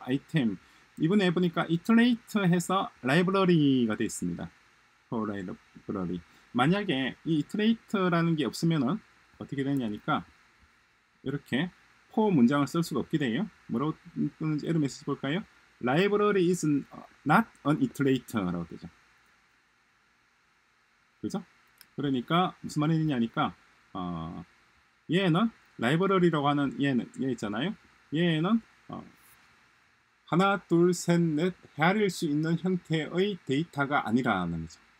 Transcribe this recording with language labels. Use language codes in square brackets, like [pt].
[ko] 아이템 이번에 보니까 iterate 해서 라이브러리가 되어 있습니다. for 라이브러리. 만약에 이 iterate라는 게 없으면은 어떻게 되냐니까 이렇게 for 문장을 쓸 수가 없게 돼요. 뭐라고 뜨는지 에러 메시지 볼까요? [en] library is not an iterator [ko] 라고 되죠. 그죠? 그러니까 무슨 말이냐니까 얘는 라이브러리라고 하는 얘 있잖아요. 얘는 하나, 둘, 셋, 넷 헤아릴 수 있는 형태의 데이터가 아니라는 거죠.